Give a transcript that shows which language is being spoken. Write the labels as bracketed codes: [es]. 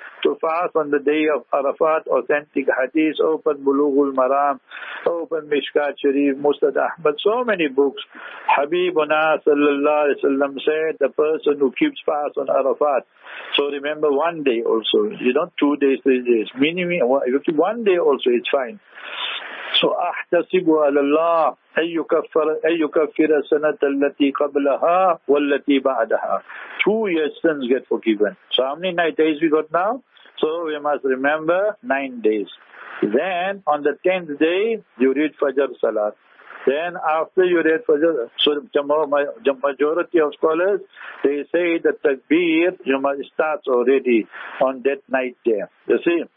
[en] To fast on the day of Arafat, authentic hadith, open Bulughul Maram, open Mishkat Sharif, Musnad Ahmad, so many books. Habibuna sallallahu alayhi wa sallam said, the person who keeps fast on Arafat. So remember one day also, you don't 2 days, 3 days. Meaning, you keep one day also, it's fine. [ar] So, أحتسب على الله أن يكفر السنة التي قبلها والتي بعدها. [en] 2 years sins get forgiven. So, how many 9 days we got now? So, we must remember 9 days. Then, on the 10th day, you read Fajr Salat. Then, after you read Fajr, so the majority of scholars, they say the takbir, you must start already on that night there. You see?